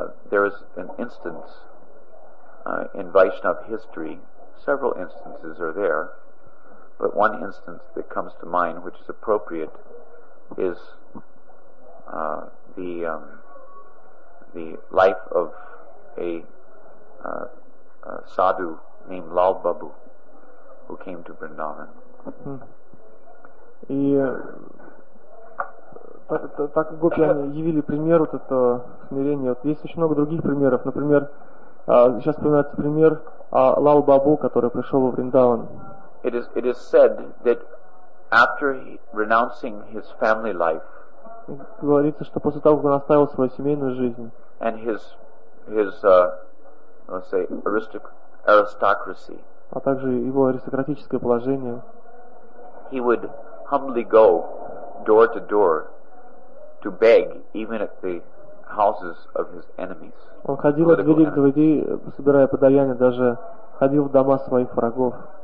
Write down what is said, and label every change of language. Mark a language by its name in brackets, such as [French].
[English] there is an instance in Vaishnava history, several instances are there, but one instance that comes to mind which is appropriate is the life of a sadhu named Lal Babu who came to Vrindavan. [Russian] И так гопи они явили пример вот этого смирения. Вот есть очень много других примеров. Например, сейчас вспоминается пример Лал Бабу, который пришел во Вриндаван. [English] It is said that after renouncing his family life, [Russian] говорится, что после того, как он оставил свою семейную жизнь, [English] and his let's say aristocracy. [Russian] А также его аристократическое положение. [English] He would humbly go door to door to beg even at the houses of his enemies. [Russian] Он ходил от двери к двери, собирая подаяние, даже ходил в дома своих врагов.